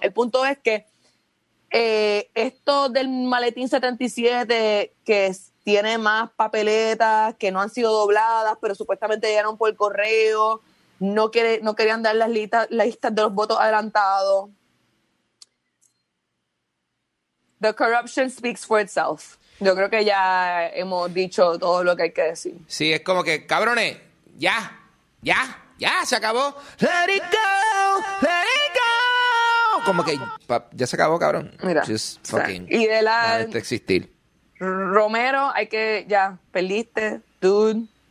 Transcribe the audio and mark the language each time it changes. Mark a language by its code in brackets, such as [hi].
[es] El punto es que esto del maletín 77, que tiene más papeletas que no han sido dobladas, pero supuestamente llegaron por correo, no querían dar las listas de los votos adelantados. [en] The corruption speaks for itself. [es] Yo creo que ya hemos dicho todo lo que hay que decir. Sí, es como que, cabrones, ya, se acabó. [en] Let it go, let it go. [es] Como que ya se acabó, cabrón. Mira, [en] just fucking, [es] y de la... De existir. Romero, hay que, ya, perdiste, dude.